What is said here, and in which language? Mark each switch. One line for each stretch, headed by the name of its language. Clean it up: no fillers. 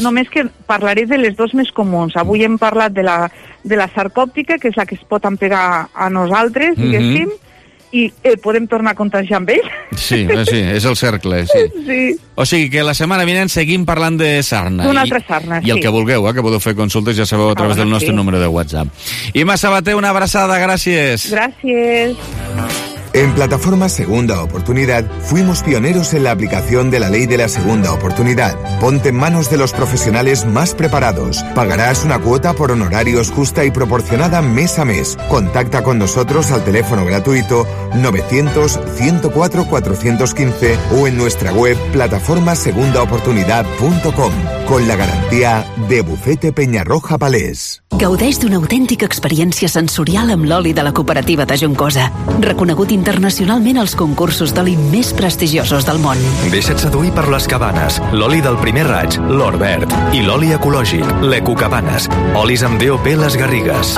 Catalan: Només que parlaré de les dues més comuns. Avui hem parlat de la sarcòptica, que és la que es pot empegar a nosaltres, diguéssim, i podem tornar a contagiar amb ell. Sí, sí, és el cercle, sí. Sí. O sigui que la setmana vinent seguim parlant de sarna. D'una altra sarna, sí. I el que vulgueu, que podeu fer consultes, ja sabeu, a través del nostre número de WhatsApp. Imma Sabater, una abraçada, gràcies. Gràcies.
Spanish: En Plataforma Segunda Oportunidad fuimos pioneros en la aplicación de la Ley de la Segunda Oportunidad. Ponte en manos de los profesionales más preparados. Pagarás una cuota por honorarios justa y proporcionada mes a mes. Contacta con nosotros al teléfono gratuito 900-104-415 o en nuestra web plataformasegundaoportunidad.com con la garantía de Bufete Peñarroja Palés.
Catalan: Gaudeix d'una autèntica experiència sensorial amb l'oli de la cooperativa de Juncosa. Reconegut internacionalment als concursos d'oli més prestigiosos del món. Deixa't seduir per les cabanes, l'oli del primer raig, l'or verd, i l'oli ecològic, l'ecocabanes, olis amb DOP Les Garrigues.